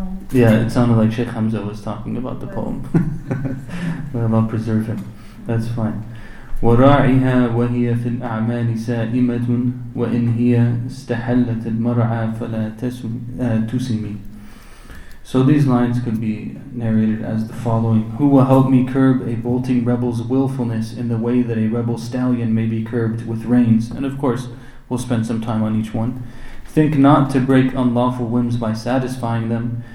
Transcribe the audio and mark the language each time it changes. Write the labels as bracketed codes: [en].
[en] Yeah, it sounded like Shaykh Hamza was talking about the poem. But about preserving. That's fine. [ar] وراعها وهي في الأعمال سائمة وإن هي استحلت المرعى فلا تسمي. [en] So these lines could be narrated as the following. Who will help me curb a bolting rebel's willfulness in the way that a rebel stallion may be curbed with reins? And of course, we'll spend some time on each one. Think not to break unlawful whims by satisfying them.